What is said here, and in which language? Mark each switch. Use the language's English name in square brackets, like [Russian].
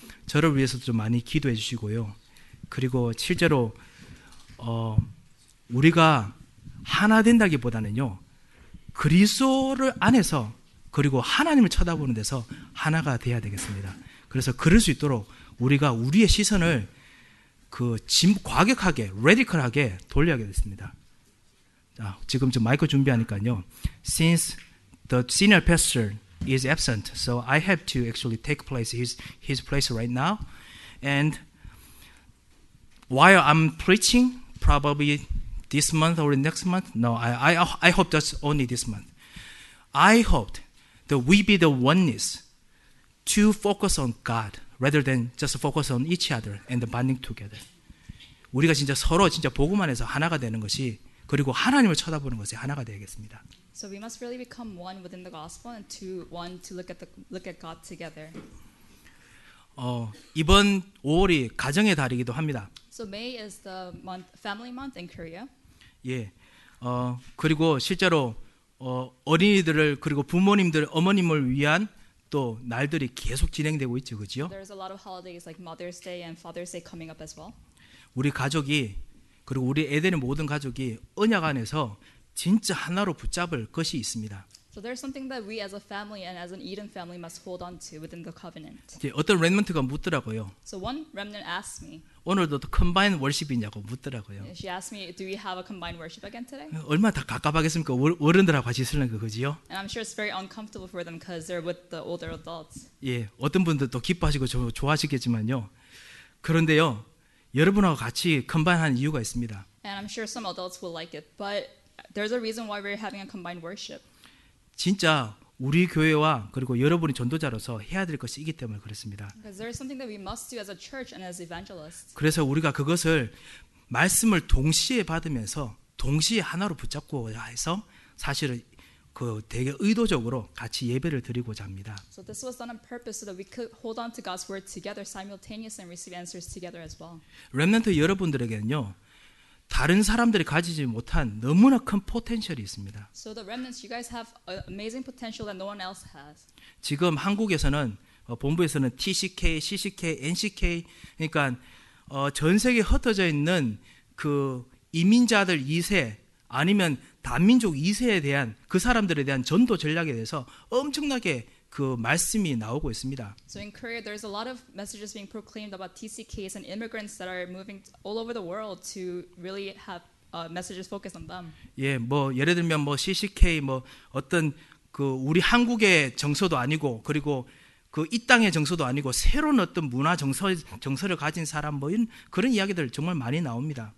[Korean] 저를 위해서도 좀 많이 기도해 주시고요. 그리고 실제로 우리가 하나 된다기보다는요, 그리스도를 안에서 그리고 하나님을 쳐다보는 데서 하나가 돼야 되겠습니다. 그래서 그럴 수 있도록 우리가 우리의 시선을 그 과격하게 레디컬하게 돌려야 되겠습니다. 자, 지금 저 마이크 준비하니까요. [English] Since the senior pastor is absent, so I have to actually take place his place right now. And while I'm preaching, probably this month or next month. No, I hope that's only this month. I hoped that we be the oneness to focus on God rather than just focus on each other and the bonding together. [Korean] 우리가 진짜 서로 진짜 복음 안에서 하나가 되는 것이 그리고 하나님을 쳐다보는 것이 하나가 되겠습니다. [English] So we must really become one within the gospel and one to look at God together. [Korean] 이번 5월이 가정의 달이기도 합니다. [English] So May is the month, family month in Korea. [Korean] 예, 그리고 실제로 어린이들을 그리고 부모님들, 어머님을 위한 또 날들이 계속 진행되고 있죠, 그렇죠? [English] There's a lot of holidays like Mother's Day and Father's Day coming up as well. [Korean] 우리 가족이 그리고 우리 애들의 모든 가족이 언약 안에서 진짜 하나로 붙잡을 것이 있습니다. [English] So there's something that we as a family and as an Eden family must hold on to within the covenant. [Korean] 예, 어떤 remnant가 묻더라고요. [English] So one remnant asked me. [Korean] 오늘도 또 combined worship이냐고 묻더라고요. [English] She asked me, do we have a combined worship again today? [Korean] 얼마나 갑갑하겠습니까? 어른들하고 같이 있으려는 거지요? [English] And I'm sure it's very uncomfortable for them because they're with the older adults. [Korean] 예, 어떤 분들도 기뻐하시고 좋아하시겠지만요. 그런데요, 여러분하고 같이 combined 하는 이유가 있습니다. [English] And I'm sure some adults will like it, but there's a reason why we're having a combined worship. [Korean] 진짜 우리 교회와 그리고 여러분이 전도자로서 해야 될 것이기 때문에 그렇습니다. [English] Because there is something that we must do as a church and as evangelists. [Korean] 그래서 우리가 그것을 말씀을 동시에 받으면서 동시에 하나로 붙잡고 해서 사실은 그 되게 의도적으로 같이 예배를 드리고자 합니다. [English] So this was done on purpose so that we could hold on to God's word together simultaneously and receive answers together as well. [Korean] Remnant 여러분들에게는요. 다른 사람들이 가지지 못한 너무나 큰 포텐셜이 있습니다. [English] So the remnants, you guys have amazing potential that no one else has. [Korean] 지금 한국에서는 본부에서는 TCK, CCK, NCK 그러니까 전 세계에 흩어져 있는 그 이민자들 2세 아니면 단민족 2세에 대한 그 사람들에 대한 전도 전략에 대해서 엄청나게 그 말씀이 나오고 있습니다. [English] So in Korea, there's a lot of messages being proclaimed about TCKs and immigrants that are moving all over the world to really have messages focused on them. [Korean] 예, 뭐 예를 들면 뭐 CCK 뭐 어떤 그 우리 한국의 정서도 아니고 그리고 그 이 땅의 정서도 아니고 새로운 어떤 문화 정서를 가진 사람 뭐 이런 그런 이야기들 정말 많이 나옵니다.